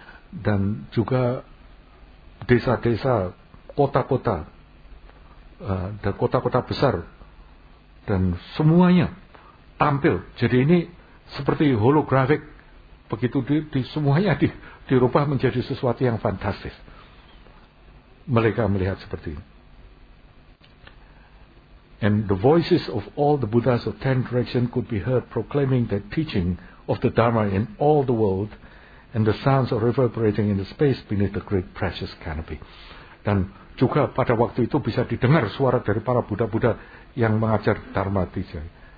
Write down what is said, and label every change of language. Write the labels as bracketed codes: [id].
[id] dan juga desa-desa, kota-kota, dan kota-kota besar, dan semuanya tampil. Jadi ini seperti holographic, begitu di semuanya dirubah menjadi sesuatu yang fantastis. Mereka melihat seperti ini. [en] And the voices of all the Buddhas of ten directions could be heard proclaiming the teaching of the Dharma in all the world, and the sounds are reverberating in the space beneath the great precious canopy. [id] Dan juga pada waktu itu bisa didengar suara dari para Buddha-Buddha yang mengajar Dharma di sini.